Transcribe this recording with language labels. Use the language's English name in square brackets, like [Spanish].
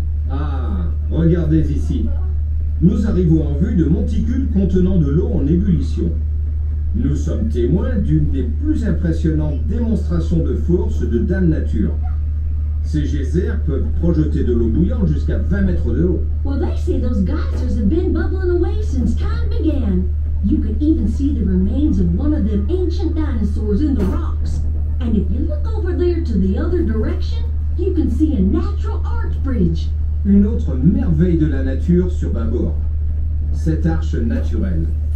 [French] Ah, regardez ici. Nous arrivons en vue de monticules contenant de l'eau en ébullition. Nous sommes témoins d'une des plus impressionnantes démonstrations de force de Dame Nature. Ces geysers peuvent projeter de l'eau bouillante jusqu'à 20 mètres de haut. [English] Well, they say those geysers have been bubbling away since time began. You could even see the remains of one of them ancient dinosaurs in the rocks. And if you look over there to the other direction, you can see a natural arch bridge. [French] Une autre merveille de la nature sur bâbord. Cette arche naturelle.